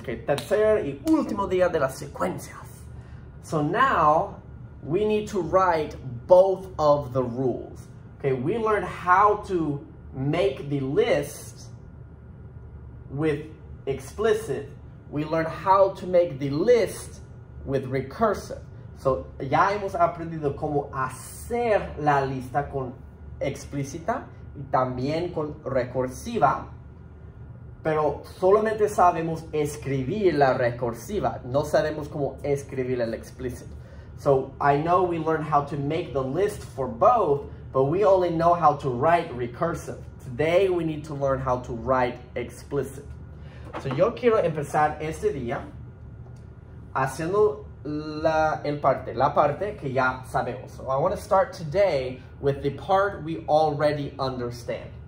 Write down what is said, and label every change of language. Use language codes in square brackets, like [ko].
[es] Okay, tercer y último día de las secuencias. [en] So now we need to write both of the rules. Okay, we learned how to make the list with explicit. We learned how to make the list with recursive. [es] So ya hemos aprendido cómo hacer la lista con explícita y también con recursiva, pero solamente sabemos escribir la recursiva. No sabemos cómo escribir el explícito. [en] So I know we learned how to make the list for both, but we only know how to write recursive. Today we need to learn how to write explicit. [es] So yo quiero empezar este día haciendo la parte que ya sabemos. [en] So I want to start today with the part we already understand.